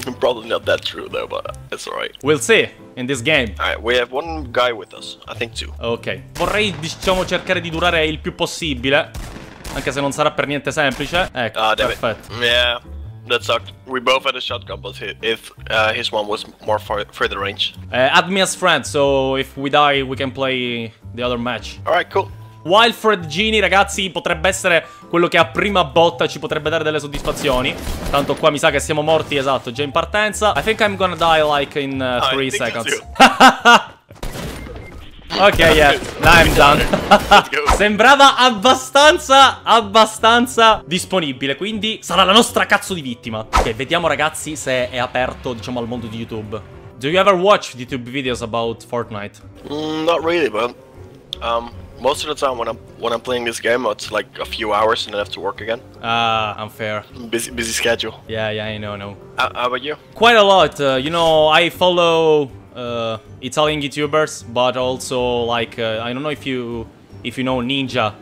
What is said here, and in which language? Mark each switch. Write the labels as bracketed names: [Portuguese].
[English] Probably not that true though, but it's alright. We'll see in this game. Alright, we have one guy with us, I think two. Ok. [Italian] Vorrei, diciamo, cercare di durare il più possibile. Anche se non sarà per niente semplice. Ecco, perfetto. [English] Yeah, that sucked. We both had a shotgun, but his one was more further range. Add me as friend, so if we die we can play the other match. Alright, cool. [Italian] Wilfred Genie, ragazzi, potrebbe essere quello che a prima botta ci potrebbe dare delle soddisfazioni. Tanto qua mi sa che siamo morti, esatto, già in partenza. [English] I think I'm gonna die like in 3 seconds. Ok, yeah, now I'm done. [Italian] Sembrava abbastanza disponibile, quindi sarà la nostra cazzo di vittima. Ok, vediamo ragazzi se è aperto, diciamo, al mondo di YouTube. [English] Do you ever watch YouTube videos about Fortnite? Not really, but most of the time when I'm playing this game, it's like a few hours and then I have to work again. Unfair. Busy schedule. Yeah, I know. How about you? Quite a lot. You know, I follow Italian YouTubers, but also like I don't know if you know Ninja.